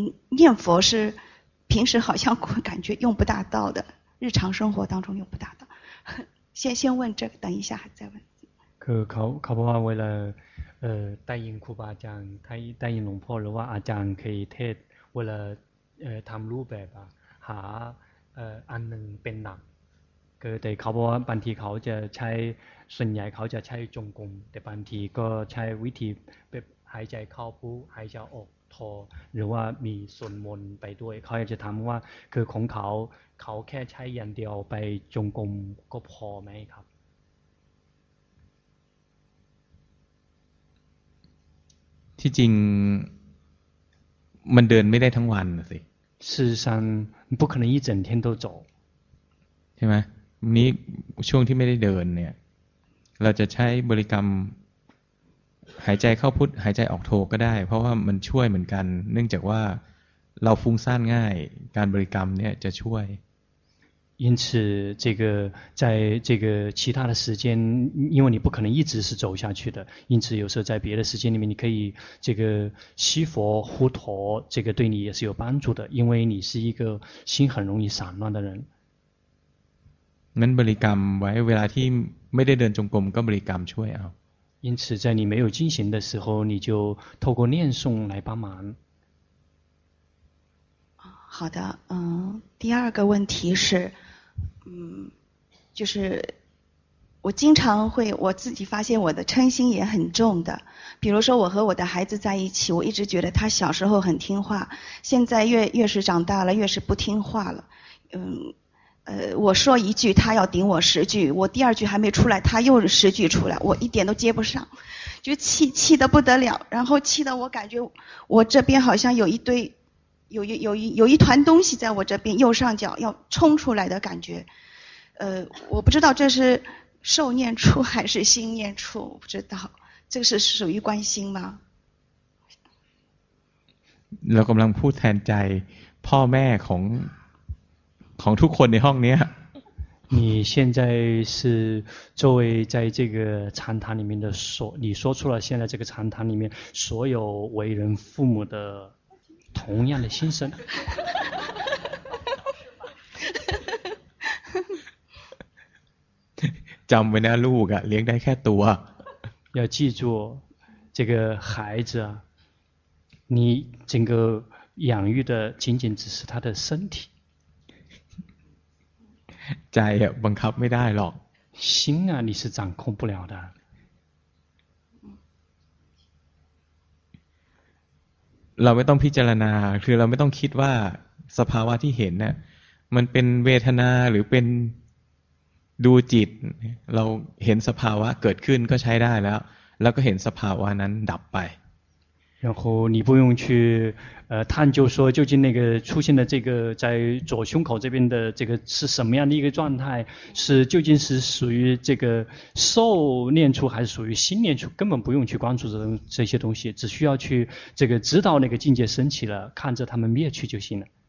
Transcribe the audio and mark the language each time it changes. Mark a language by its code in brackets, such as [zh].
[zh] 念佛是平时好像感觉用不大到的，日常生活当中用不大到。先问这个，等一下再问。考波巴为了带引库巴讲，他带引龙婆的话，阿讲可以替为了他们路呗吧，哈安能变难。 [th] คือแต่เขาบอกว่าบางทีเขาจะใช้ส่วนใหญ่เขาจะใช้จงกรมแต่บางทีก็ใช้วิธีแบบหายใจเข้าพุหายใจออกทอหรือว่ามีสวดมนต์ไปด้วยเขาอยากจะถามว่าคือของเขาแค่ใช้อย่างเดียวไปจงกรมก็พอไหมครับ ที่จริงมันเดินไม่ได้ทั้งวันสิ [zh] 事实上不可能一整天都走 [th] ใช่ไหมนี้ช่วงที่ไม่ได้เดินเนี่ยเราจะใช้บริกรรมหายใจเข้าพุทหายใจออกโทก็ได้เพราะว่ามันช่วยเหมือนกันเนื่องจากว่าเราฟุ้งซ่านง่ายการบริกรรมเนี่ยจะช่วย [zh] 因此这个在这个其他的时间因为你不可能一直是走下去的因此有时候在别的时间里面你可以这个吸佛呼陀这个对你也是有帮助的因为你是一个心很容易散乱的人 [th] นั้นบริกรรมไว้เวลาที่ไม่ได้เดินจงกรมก็บริกรรมช่วยเอา [zh] 因此在你没有进行的时候你就透过念诵来帮忙好的第二个问题是就是我经常会我自己发现我的嗔心也很重的比如说我和我的孩子在一起我一直觉得他小时候很听话现在越是长大了越是不听话了我说一句他要顶我十句我第二句还没出来他又十句出来我一点都接不上就气得不得了然后气得我感觉我这边好像有一堆有一团东西在我这边右上角要冲出来的感觉我不知道这是受念处还是心念处不知道这个是属于观心吗 [th] เรากำลังพูดแทนใจพ่อแม่ของทุกคนในห้องนี้ [zh] 你现在是作为在这个禅堂里面的你说出了现在这个禅堂里面所有为人父母的同样的心声 [th] จำไว้นะลูกอะเลี้ยงได้แค่ตัว [zh] 要记住这个孩子你整个养育的仅仅只是他的身体 [th] ใจบังคับไม่ได้หรอก [zh] 心啊你是掌控不了的 [th] เราไม่ต้องพิจารณาคือเราไม่ต้องคิดว่าสภาวะที่เห็นน่ะมันเป็นเวทนาหรือเป็นดูจิตเราเห็นสภาวะเกิดขึ้นก็ใช้ได้แล้วแล้วก็เห็นสภาวะนั้นดับไป [zh] 然后你不用去探究说究竟那个出现的这个在左胸口这边的这个是什么样的一个状态是究竟是属于这个受念处还是属于心念处根本不用去关注这些东西只需要去这个知道那个境界升起了看着他们灭去就行了